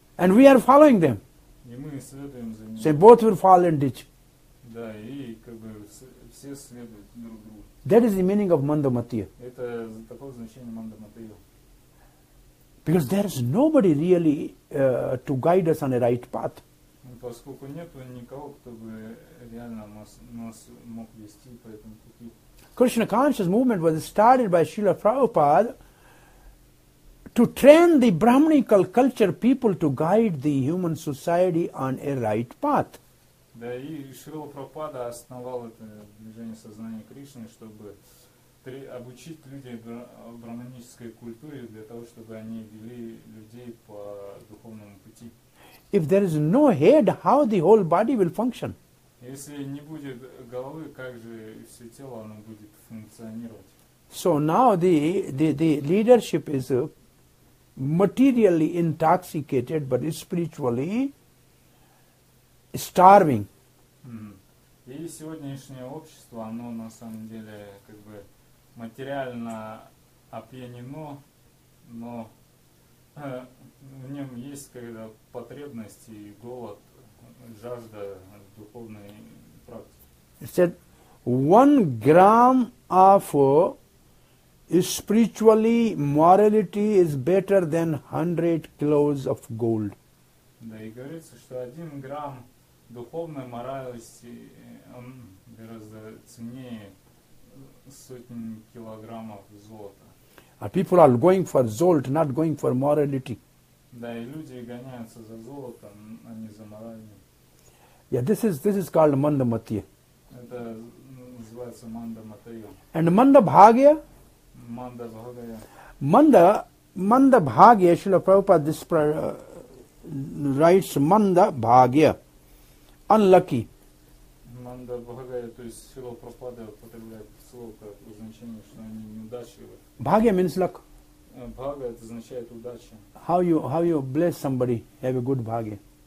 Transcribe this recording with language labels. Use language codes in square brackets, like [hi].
[en] And we are following them. [ru] И мы следуем за ними. [en] So both will fall in ditch. [ru] Да, и как бы все следуют друг другу. [en] That is the meaning of Manda Matiya. [ru] Это такое значение Манда Матия. [en] Because there is nobody really to guide us on a right path. [ru] Поскольку нету никого, кто бы реально нас мог вести по этому пути. [en] Krishna Conscious Movement was started by Srila Prabhupada to train the Brahminical culture people to guide the human society on a right path. [ru] Да, и Шрила Прабхупада основал это движение сознания Кришны, чтобы обучить людей брахманической культуре для того, чтобы они вели людей по духовному пути. [en] If there is no head, how the whole body will function? [ru] Если не будет головы, как же все тело оно будет функционировать? [en] So now the leadership is materially intoxicated, but spiritually starving. [ru] И сегодняшнее общество, оно на самом деле как бы материально опьянено, но в нем есть какая-то потребность и голод, жажда духовной практики. [en] It said, 1 gram of spiritually morality is better than 100 kilos of gold. [ru] Да, и говорится, что 1 грамм духовной моральности он гораздо ценнее сотен килограммов золота. [en] And people are going for gold, not going for morality. [ru] Да, и люди гоняются за золотом, а не за моралью. [en] Yeah, this is called Manda Matiya. [ru] Это называется Manda Matiya. [en] And Manda Bhagya? [sa] Manda Bhagya. [en] Manda Bhagya, Srila Prabhupada writes Manda Bhagya. Unlucky. [ru] Manda Bhagya, то есть Srila Prabhupada употребляет слово как обозначение, что они неудачливы. [en] Bhagya means luck. [ru] Bhagya, это означает удача. [en] How you bless somebody, have a good bhagya.